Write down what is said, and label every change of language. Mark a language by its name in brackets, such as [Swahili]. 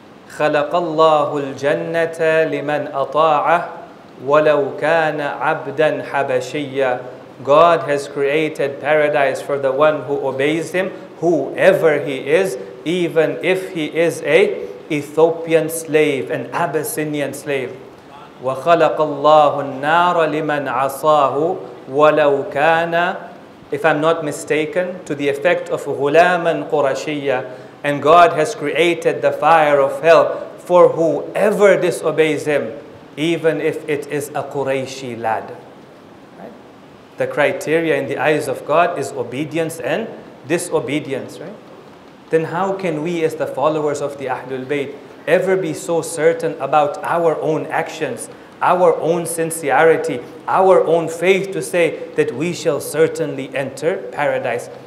[Arabic] خَلَقَ اللَّهُ الْجَنَّةَ لِمَنْ أَطَاعَهُ وَلَوْ كَانَ عَبْدًا حَبَشِيًّا. [English] God has created paradise for the one who obeys Him, whoever he is, even if he is a Ethiopian slave, an Abyssinian slave. [Arabic] وَخَلَقَ اللَّهُ النَّارَ لِمَنْ عَصَاهُ وَلَوْ كَانَ, [English] if I'm not mistaken, to the effect of [Arabic] غُلَامًا قُرَشِيًّا. [English] And God has created the fire of hell for whoever disobeys Him, even if it is a Qurayshi lad. The criteria in the eyes of God is obedience and disobedience, right? Then how can we as the followers of the Ahlul Bayt ever be so certain about our own actions, our own sincerity, our own faith to say that we shall certainly enter paradise?